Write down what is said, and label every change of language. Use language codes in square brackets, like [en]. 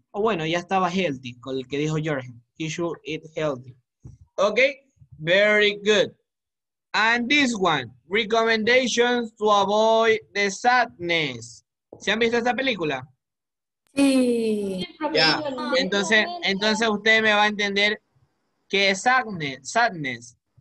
[es] Bueno, ya estaba healthy con el que dijo Jorge. [en] He should eat healthy. Okay, very good. And this one, recommendations to avoid the sadness. [es] ¿Se han visto esta película? Sí. Ya. Entonces usted me va a entender qué es sadness.